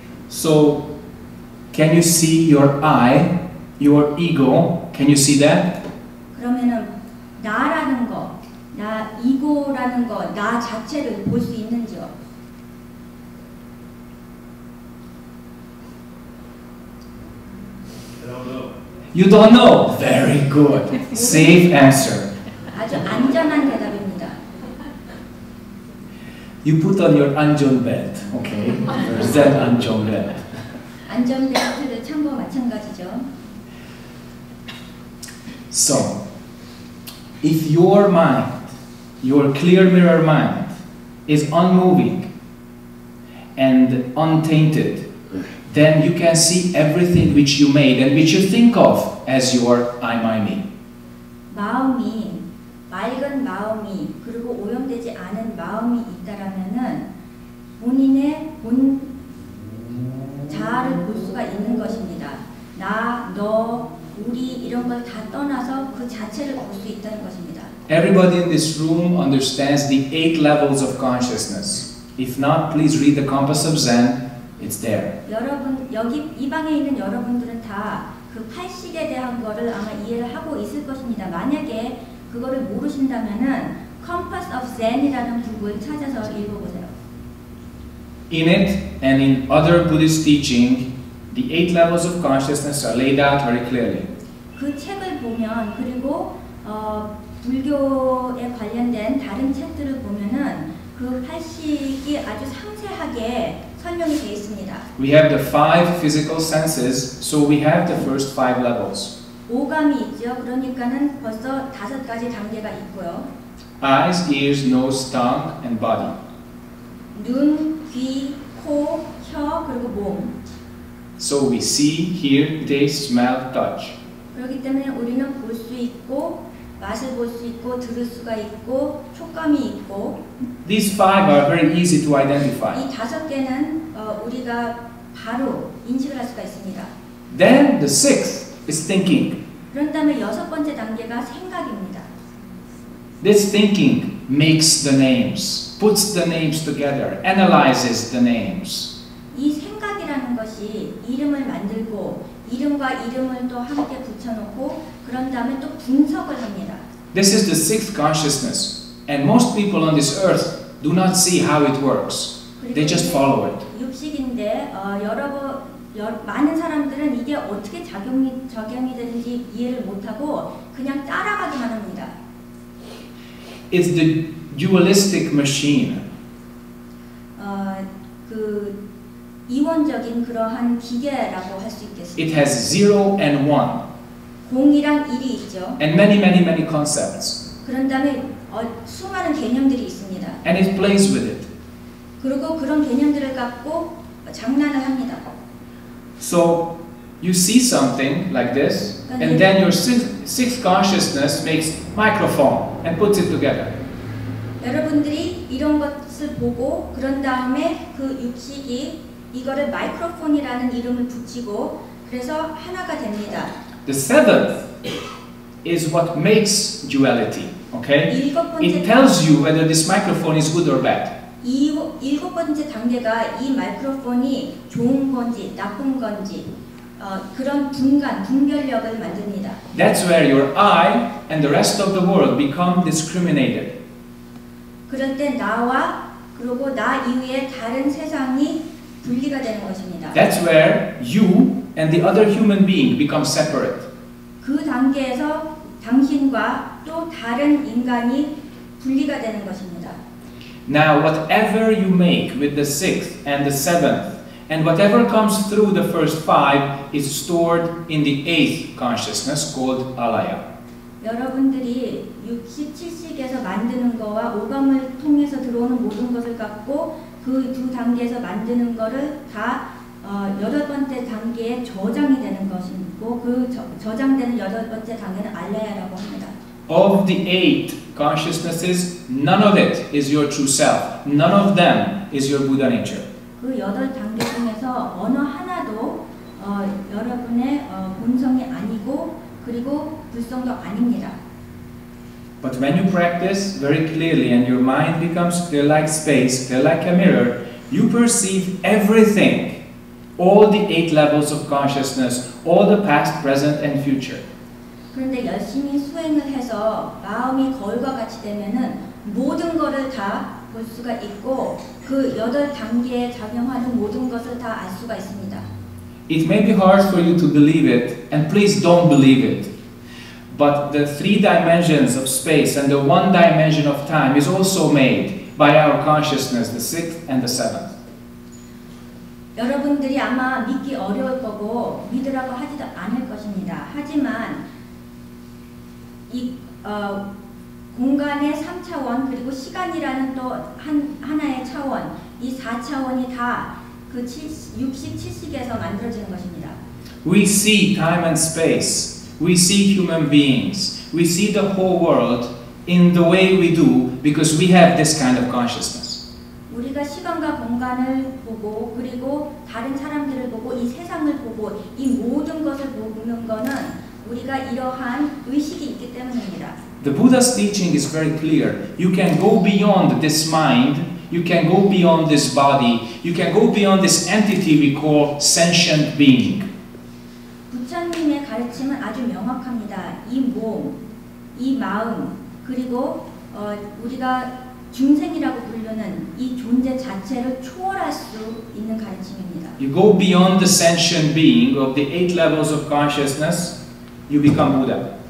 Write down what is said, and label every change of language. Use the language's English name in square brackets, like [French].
[English] So, can you see your I, your ego? Can you see that? [Korean] 그러면은 나라는 거, 나 이고라는 거, 나 자체를 볼 수 있는지요? [English] You don't know. Very good. Safe answer. [Korean] 아주 안전한 대답입니다. [English] You put on your 안전벨트, okay? Where's that 안전벨트? [Korean] 안전벨트를 참고 마찬가지죠. [English] So, if your mind, your clear mirror mind, is unmoving and untainted, then you can see everything which you made and which you think of as your I, my, me. [Korean] 마음이 맑은 마음이 그리고 오염되지 않은 마음이 있다라면은 본인의 본 자아를 볼 수가 있는 것입니다. 나, 너, 우리 이런 걸 다 떠나서 그 자체를 볼 수 있다는 것입니다. [English] Everybody in this room understands the 8 levels of consciousness. If not, please read the Compass of Zen. It's there. [Korean] 여러분 여기 이 방에 있는 여러분들은 다 그 팔식에 대한 거를 아마 이해를 하고 있을 것입니다. 만약에 그거를 모르신다면은 Compass of Zen이라는 부분을 찾아서 읽어보세요. [English] In it and in other Buddhist teaching, the 8 levels of consciousness are laid out very clearly. [Korean] 그 책을 보면 그리고 불교에 관련된 다른 책들을 보면은 그 팔식이 아주 상세하게 설명이 되어 있습니다. [English] We have the 5 physical senses, so we have the first 5 levels. [Korean] 오감이 있죠. 그러니까는 벌써 다섯 가지 단계가 있고요. [English] Eyes, ears, nose, tongue, and body. [Korean] 눈, 귀, 코, 혀, 그리고 몸. [English] So we see, hear, taste, smell, touch. [Korean] 그렇기 때문에 우리는 볼 수 있고 맛을 볼 수 있고 들을 수가 있고 촉감이 있고. [English] These 5 are very easy to identify. [Korean] 이 다섯 개는 우리가 바로 인식을 할 수가 있습니다. [English] Then the 6th is thinking. [Korean] 그런 다음에 여섯 번째 단계가 생각입니다. [English] This thinking makes the names, puts the names together, analyzes the names. [Korean] 이 생각이라는 것이 이름을 만들고 이름과 이름을 또 함께 붙여놓고 그런 다음에 또 분석을 합니다. [English] This is the 6th consciousness. And most people on this earth do not see how it works. They just follow it. [Korean] 육식인데 많은 사람들은 이게 어떻게 작용이 되는지 이해를 못하고 그냥 따라가기만 합니다. [English] It's the dualistic machine. [Korean] 그 이원적인 그러한 기계라고 할 수 있겠습니다. [English] It has 0 and 1. [Korean] 공이랑 일이 있죠. [English] And many, many, many concepts. [Korean] 그런 다음에 수많은 개념들이 있습니다. [English] And it plays with it. [Korean] 그리고 그런 개념들을 갖고 장난을 합니다. [English] So you see something like this, and then your sixth consciousness makes microphone and puts it together. [Korean] 여러분들이 이런 것을 보고 그런 다음에 그 육식이 이거를 마이크로폰이라는 이름을 붙이고 그래서 하나가 됩니다. [English] The seventh is what makes duality. Okay? It tells you whether this microphone is good or bad. [Korean] 일곱 번째 단계가 이 마이크로폰이 좋은 건지 나쁜 건지 그런 분별력을 만듭니다. [English] That's where your I and the rest of the world become discriminated. [Korean] 그럴 때 나와 그리고 나 이외의 다른 세상이 분리가 되는 것입니다. [English] That's where you and the other human being become separate. [Korean] 그 단계에서 당신과 또 다른 인간이 분리가 되는 것입니다. [English] Now, whatever you make with the 6th and the 7th, and whatever comes through the first 5 is stored in the 8th consciousness called Alaya. [Korean] 여러분들이 6식, 7식에서 만드는 거와 오감을 통해서 들어오는 모든 것을 갖고 그 두 단계에서 만드는 거를 다 여덟 번째 단계에 저장이 되는 것이고 그 저장되는 여덟 번째 단계는 알라야라고 합니다. [English] Of the eight consciousnesses, none of it is your true self. None of them is your Buddha nature. [Korean] 그 여덟 단계 중에서 어느 하나도 여러분의 본성이 아니고 그리고 불성도 아닙니다. [English] But when you practice very clearly and your mind becomes clear like space, clear like a mirror, you perceive everything, all the eight levels of consciousness, all the past, present, and future. [Korean] 그런데 열심히 수행을 해서 마음이 거울과 같이 되면은 모든 것을 다 볼 수가 있고 그 여덟 단계에 작용하는 모든 것을 다 알 수가 있습니다. [English] It may be hard for you to believe it, and please don't believe it. But the three dimensions of space and the one dimension of time is also made by our consciousness, the sixth and the seventh. [Korean] 여러분들이 아마 믿기 어려울 거고 믿으라고 하지도 않을 것입니다. 하지만 이 공간의 3차원 그리고 시간이라는 또 하나의 차원, 이 4차원이 다 그 67식에서 만들어진 것입니다. [English] We see time and space. We see human beings. We see the whole world in the way we do because we have this kind of consciousness. [Korean] 우리가 시간과 공간을 보고 그리고 다른 사람들을 보고 이 세상을 보고 이 모든 것을 보는 것은 우리가 이러한 의식이 있기 때문입니다. [English] The Buddha's teaching is very clear. You can go beyond this mind. You can go beyond this body. You can go beyond this entity we call sentient being. [Korean] 부처님의 가르침은 아주 명확합니다. 이 몸, 이 마음, 그리고 우리가 중생이라고 부르는 이 존재 자체를 초월할 수 있는 가르침입니다. [English] You go beyond the sentient being of the eight levels of consciousness, you become Buddha.